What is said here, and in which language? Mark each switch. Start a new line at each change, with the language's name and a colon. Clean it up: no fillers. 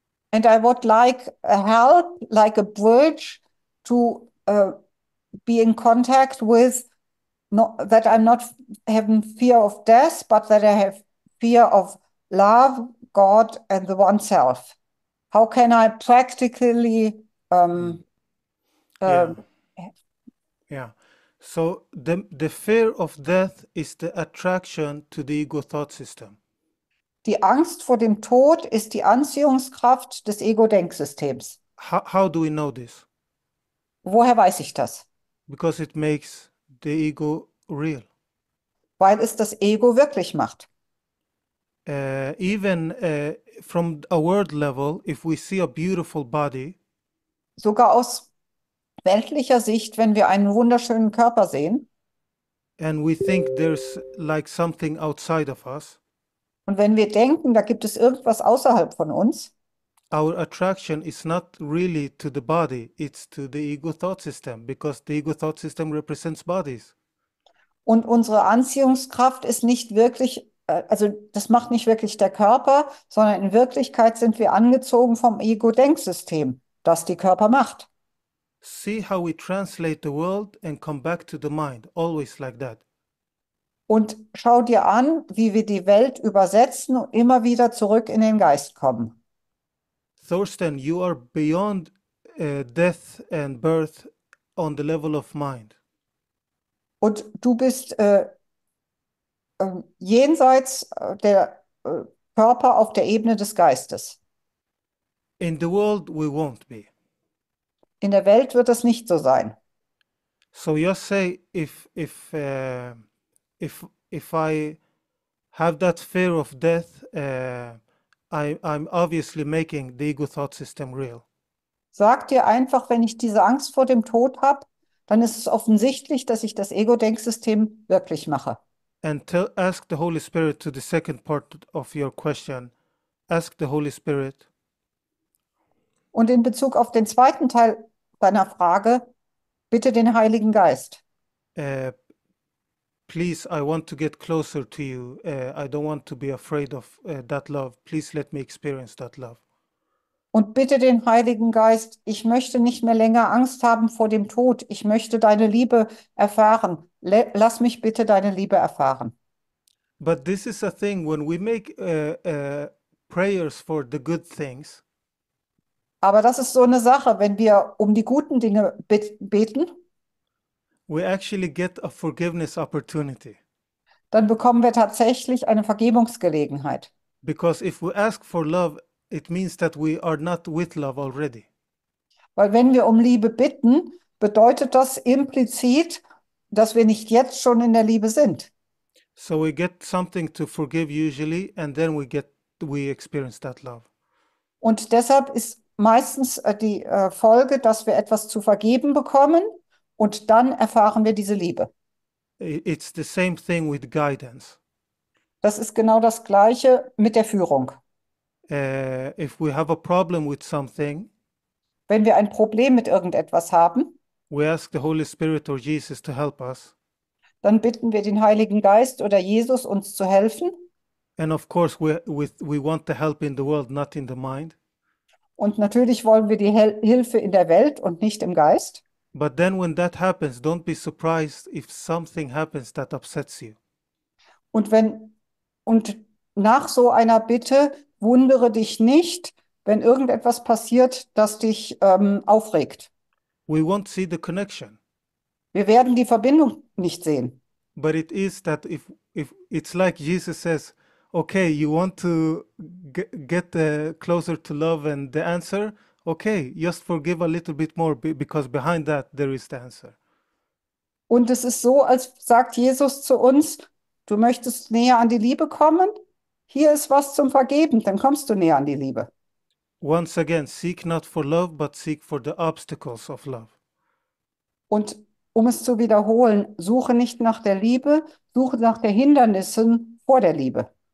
English: And I would like help, like a bridge to be in contact with not, that I'm not having fear of death, but that I have fear of love, God and the oneself. How can I practically So the fear of death is the attraction to the ego thought system.
German: Die Angst vor dem Tod ist die Anziehungskraft des Ego-Denksystems.
English: How do we know this?
German: Woher weiß ich das?
English: Because it makes the ego real.
German: Weil es das Ego wirklich macht.
English: From a world level, if we see a beautiful body,
German: Sogar aus weltlicher Sicht, wenn wir einen wunderschönen Körper sehen.
English: and we think there's like something outside of us,
German: Und wenn wir denken, da gibt es irgendwas außerhalb von uns,
English: our attraction is not really to the body, it's to the ego thought system, because the ego thought system represents bodies.
German: und unsere Anziehungskraft ist nicht wirklich, also das macht nicht wirklich der Körper, sondern in Wirklichkeit sind wir angezogen vom Ego-Denksystem, das die Körper macht.
English: See how we translate the world and come back to the mind, always like that.
German: Und schau dir an, wie wir die Welt übersetzen und immer wieder zurück in den Geist kommen.
English: Thorsten, you are beyond death and birth on the level of mind.
German: Und du bist jenseits der Körper auf der Ebene des Geistes.
English: In the world we won't be.
German: In der Welt wird das nicht so sein.
English: So you say if I have that fear of death, I'm obviously making the ego thought system real.
German: Sag dir einfach, wenn ich diese Angst vor dem Tod habe, dann ist es offensichtlich, dass ich das Ego-Denksystem wirklich mache.
English: And tell, ask the Holy Spirit to the second part of your question. Ask the Holy Spirit.
German: Und in Bezug auf den zweiten Teil deiner Frage, bitte den Heiligen Geist.
English: Please, I want to get closer to you. I don't want to be afraid of that love. Please let me experience that love.
German: Und bitte den Heiligen Geist, ich möchte nicht mehr länger Angst haben vor dem Tod. Ich möchte deine Liebe erfahren. Lass mich bitte deine Liebe erfahren.
English: But this is a thing, when we make prayers for the good things.
German: Aber das ist so eine Sache, wenn wir um die guten Dinge beten.
English: We actually get a forgiveness opportunity.
German: Dann bekommen wir tatsächlich eine Vergebungsgelegenheit.
English: Because if we ask for love, it means that we are not with love already.
German: Weil wenn wir um Liebe bitten, bedeutet das implizit, dass wir nicht jetzt schon in der Liebe sind.
English: So we get something to forgive usually, and then we experience that love.
German: Und deshalb ist meistens die Folge, dass wir etwas zu vergeben bekommen. Und dann erfahren wir diese Liebe.
English: It's the same thing with guidance.
German: Das ist genau das Gleiche mit der Führung.
English: If we have a problem with something,
German: wenn wir ein Problem mit irgendetwas haben,
English: we ask the Holy Spirit or Jesus to help us.
German: Dann bitten wir den Heiligen Geist oder Jesus, uns zu helfen.
English: And of course we want the help in the world, not in the mind.
German: Und natürlich wollen wir die Hilfe in der Welt und nicht im Geist.
English: But then when that happens, don't be surprised if something happens that upsets you.
German: Und nach so einer Bitte wundere dich nicht, wenn irgendetwas passiert, das dich aufregt.
English: We won't see the connection.
German: Wir werden die Verbindung nicht sehen.
English: But it is that if it's like Jesus says, okay, you want to get closer to love and the answer? Okay, just forgive a little bit more, because behind that there is the answer.
German: Und es ist so, als sagt Jesus zu uns, du möchtest näher an die Liebe kommen? Hier ist was zum Vergeben, dann kommst du näher an die Liebe.
English: Once again, seek not for love, but seek for the obstacles of love.
German: Und um es zu wiederholen, suche nicht nach der Liebe, suche nach den Hindernissen vor der Liebe.